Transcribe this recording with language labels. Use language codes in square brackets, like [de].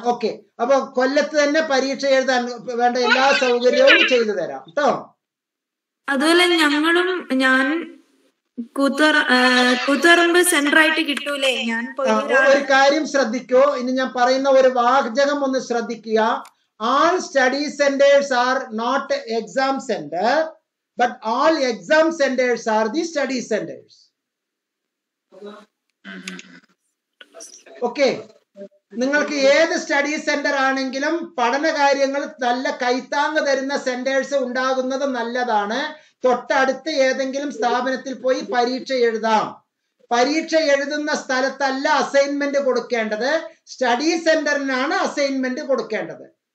[ml] Okay, അപ്പൊ കൊല്ലത്ത് തന്നെ പരീക്ഷ എഴുതാൻ വേണ്ട എല്ലാ സൗകര്യവും ചെയ്തു തരാം കേട്ടോ. അതുപോലെ ഞങ്ങളും, ഞാൻ കൂത്തുറമ്പ് സെന്റർ ആയിട്ട് കിട്ടൂലേ? ഞാൻ ഒരു കാര്യം ശ്രദ്ധിക്കോ, ഇനി ഞാൻ പറയുന്ന ഒരു വാചകം ഒന്ന് ശ്രദ്ധിക്കുക. [en] All study centers are not exam center, but all exam centers are the study centers. Okay. [ml] നിങ്ങൾക്ക് ഏത് സ്റ്റഡി സെന്റർ ആണെങ്കിലും പഠന കാര്യങ്ങൾ നല്ല കൈത്താങ്ങ് തരുന്ന സെന്റേഴ്സ് ഉണ്ടാകുന്നത് നല്ലതാണ്. തൊട്ടടുത്ത് ഏതെങ്കിലും സ്ഥാപനത്തിൽ പോയി പരീക്ഷ എഴുതാം. പരീക്ഷ എഴുതുന്ന സ്ഥലത്തല്ല അസൈൻമെന്റ് കൊടുക്കേണ്ടത്, സ്റ്റഡി സെന്ററിനാണ് അസൈൻമെന്റ് കൊടുക്കേണ്ടത്.